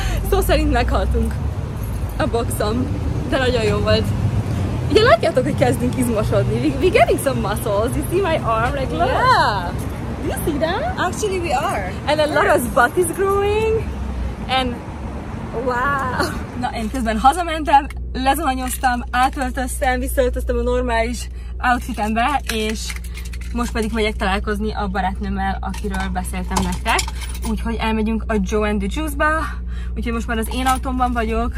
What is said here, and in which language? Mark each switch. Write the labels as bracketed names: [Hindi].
[Hungarian] Szó szerint meghaltunk a boxom, de nagyon jó volt. Ugye látjátok, hogy kezdünk izmosodni. [English] We getting some muscles. You see my arm like yeah. Do you see them? Actually we are. And a lot of butt is growing. And wow! [Hungarian] Na én közben hazamentem, lezolanyoztam, átöltöztem, visszaöltöztem a normális outfitembe, és most pedig megyek találkozni a barátnőmmel, akiről beszéltem nektek. Úgyhogy elmegyünk a Joe & the Juice-ba. Úgyhogy most már az én autómban vagyok.